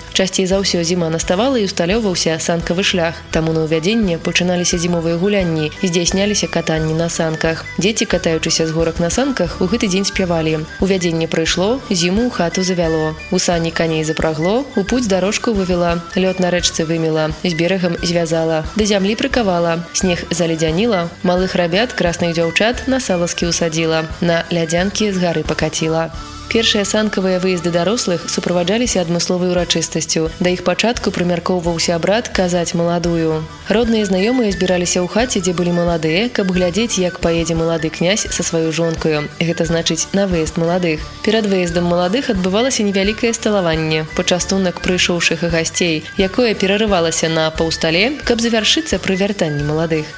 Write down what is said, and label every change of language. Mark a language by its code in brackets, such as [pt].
[be] Часцей за ўсё зіма наставала і ўсталёўваўся санкавы шлях. Таму на увядзенне пачыналіся зімовыя гулянні, здзяйсняліся катанні на санках. Дзеці, катаючыся з горак на санках, у гэты дзень спявалі. Увядзенне прыйшло, зіму ў хату завяло. У сані коней запрагло, у путь дарожку вывела, лёд на рэчцы выміла. [ru] Берегом звязала, до земли приковала, снег заледянила, малых рабят, красных девчат на салазки усадила, на ледянки с горы покатила. [be] Першыя санкавыя выезды дарослых суправаджаліся адмысловай урачыстасцю. Да іх пачатку прымяркоўваўся абрад казаць маладую. Родныя знаёмыя збіраліся ў хаце, дзе былі маладыя, каб глядзець, як паедзе малады князь са сваёй жонкаю. Гэта значыць на выезд маладых. Перад выездам маладых адбывалася невялікае сталаванне, пачастунак прыйшоўшых гасцей, якое перарывалася на паўстале, каб завяршыцца пры вяртанні маладых.